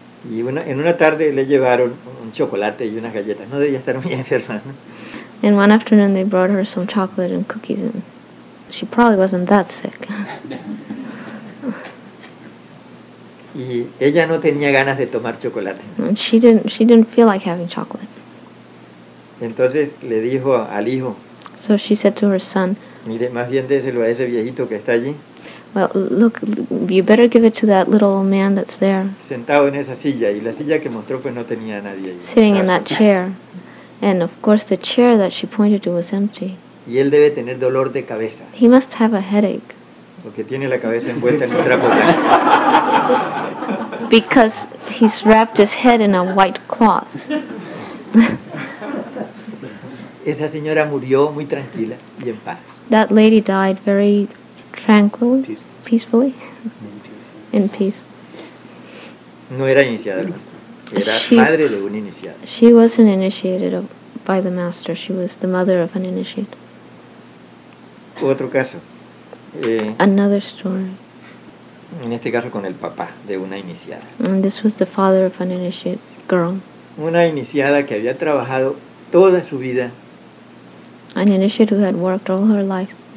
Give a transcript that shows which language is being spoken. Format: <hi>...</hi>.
<es>Y en una tarde le llevaron un chocolate y unas galletas. No debía estar muy enferma, ¿no?</es> <en>In one afternoon they brought her some chocolate and cookies and she probably wasn't that sick.</en> <es>Y ella no tenía ganas de tomar chocolate.</es> <en>She didn't feel like having chocolate.</en> <es>Entonces le dijo al hijo.</es> <en>So she said to her son.</en> <es>Mire, más bien déselo a ese viejito que está allí.</es> <en>Well, look, you better give it to that little old man that's there.</en> <es>Sentado en esa silla y la silla que mostró pues no tenía nadie.</es> <en>Sitting in that chair, and of course the chair that she pointed to was empty.</en> <es>Y él debe tener dolor de cabeza.</es> <en>He must have a headache.</en> <es>Porque tiene la cabeza envuelta en un trapo blanco.</es> <en>Because he's wrapped his head in a white cloth.</en> <es>Esa señora murió muy tranquila y en paz.</es> <en>That lady died very tranquilly, peacefully, in peace.</en> <es>No era iniciada, era madre de un iniciado.</es> <en>She wasn't initiated by the master. She was the mother of an initiate.</en> <es>Otro caso.</es> <en>Another story.</en> <es>En este caso con el papá de una iniciada.</es> <en>And this was the father of an initiate girl.</en> <es>Una iniciada que había trabajado toda su vida.</es> <en>An initiate who had worked all her life.</en>